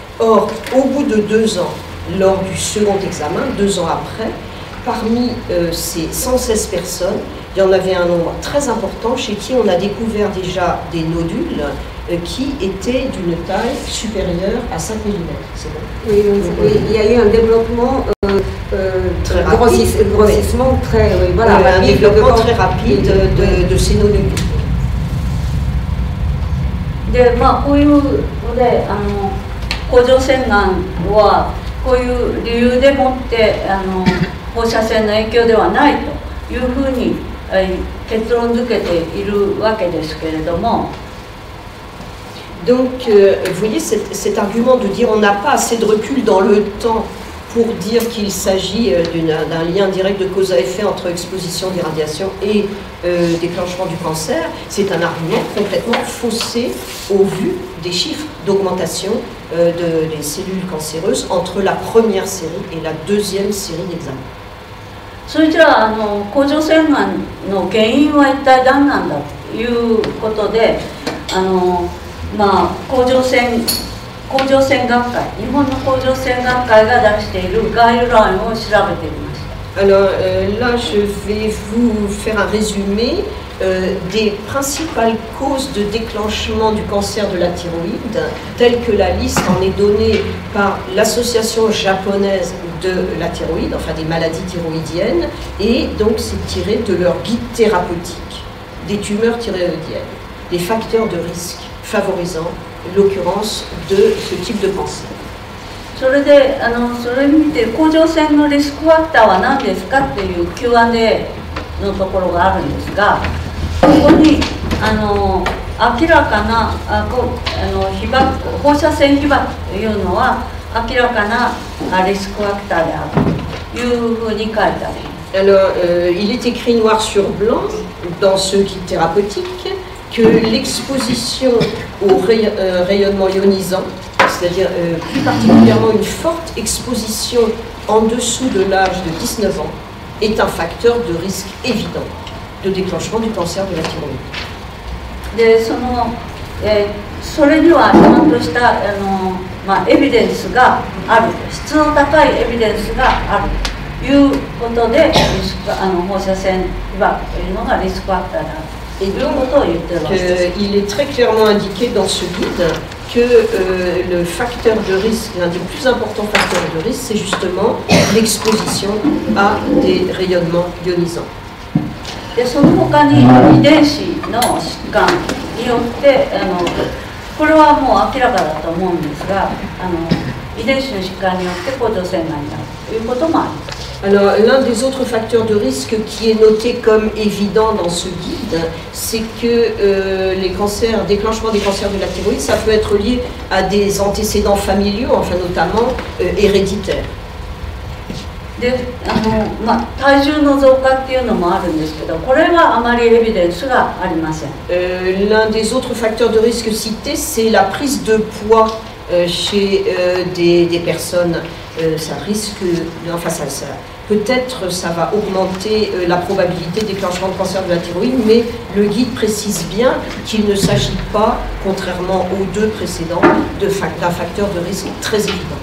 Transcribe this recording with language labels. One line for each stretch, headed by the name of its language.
French: Or, au bout de 2 ans, lors du second examen, 2 ans après, parmi ces 116 personnes, il y en avait un nombre très important chez qui on a découvert déjà des nodules qui était d'une taille supérieure à 5 mm. C'est bon. Oui, donc, oui, il y a eu un développement très rapide. Grossissement oui. Très, oui, voilà, rapide. Un développement très rapide de ces nodules.
Japanese: De, まあ、こういうので、甲状腺がんはこういう理由でもって放射線の影響ではないというふうに結論付けているわけですけれども。
French: Donc, vous voyez, cet argument de dire on n'a pas assez de recul dans le temps pour dire qu'il s'agit d'un lien direct de cause à effet entre exposition des radiations et déclenchement du cancer, c'est un argument complètement faussé au vu des chiffres d'augmentation des cellules cancéreuses entre la première série et la deuxième série d'examens.
Japanese: それじゃあ、甲状腺がんの原因は一体何なんだということで、まあ、日本の甲状腺学会が出しているガイドラインを調べてみました。
French: Alors, là, je vais vous faire un résumé des principales causes de déclenchement du cancer de la thyroïde, telles que la liste en est donnée par l'Association japonaise de la thyroïde, enfin des maladies thyroïdiennes, et donc c'est tiré de leur guide thérapeutique des tumeurs thyroïdiennes, des facteurs de risque favorisant l'occurrence de ce type de cancer.
Japanese: それで、それ見て、甲状腺のリスクファクターは何ですかっていう Q&A のところがあるんですが、ここに明らかな被爆、放射線被爆というのは明らかなリスクファクターであるというふうに書いてあります。
French: Alors, il est écrit noir sur blanc dans ce guide thérapeutique que l'exposition au rayonnement ionisant, c'est-à-dire plus particulièrement une forte exposition en dessous de l'âge de 19 ans, est un facteur de risque évident de déclenchement du cancer de la thyroïde.
Japanese: De その、それにはちゃんとしたまあ、エビデンスがある、質の高いエビデンスがあるということで、リスク、放射線被曝というのがリスクファクターだ。
French: Et donc, il est très clairement indiqué dans ce guide que le facteur de risque, l'un des plus importants facteurs de risque, c'est justement l'exposition à des rayonnements ionisants. Et son autre, l'évidence de la situation, c'est clairement clair, mais l'évidence de la situation, c'est clairement clair. Alors, l'un des autres facteurs de risque qui est noté comme évident dans ce guide, c'est que les cancers, déclenchement des cancers de la thyroïde, ça peut être lié à des antécédents familiaux, enfin notamment héréditaires.
Japanese: De, まあ、体重の増加っていうのもあるんですけど、これはあまりエビデンスがありません。
French: L'un des autres facteurs de risque cités, c'est la prise de poids chez des personnes. Ça risque, enfin, ça peut peut-être ça va augmenter la probabilité déclenchement de cancer de la thyroïde, mais le guide précise bien qu'il ne s'agit pas, contrairement aux deux précédents, d'un facteur de risque très évident.